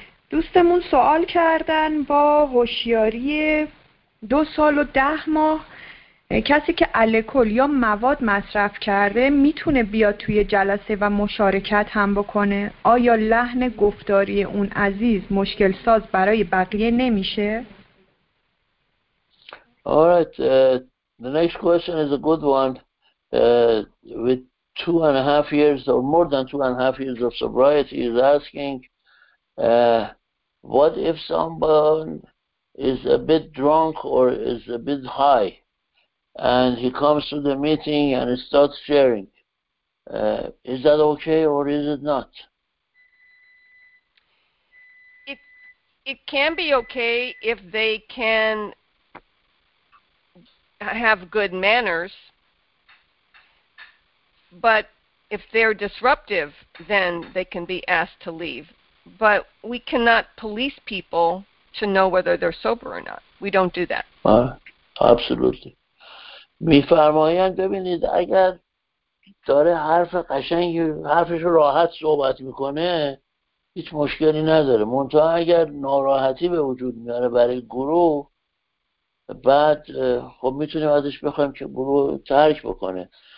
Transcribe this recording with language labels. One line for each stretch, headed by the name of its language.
Persian: دوستمون سوال کردن با هوشیاری 2 سال و 10 ماه، کسی که الکل یا مواد مصرف کرده میتونه بیاد توی جلسه و مشارکت هم بکنه؟ آیا لحن گفتاری اون عزیز مشکل ساز برای بقیه نمیشه؟
English: Alright, the next question is a good one. With 2.5 years or more than 2.5 years of sobriety is asking what if someone is a bit drunk or is a bit high and he comes to the meeting and starts sharing? Is that okay or is it not? It can be okay if they can have good manners, but if they're disruptive, then they can be asked to leave. But we cannot police people to know whether they're sober or not. We don't do that. Absolutely.
Persian: می فرمایند ببینید اگر داره حرف قشنگی حرفش راحت صحبت میکنه هیچ مشکلی نداره، منتها اگر ناراحتی به وجود میاره برای گروه بعد خب میتونیم ازش بخوایم که گروه ترک بکنه.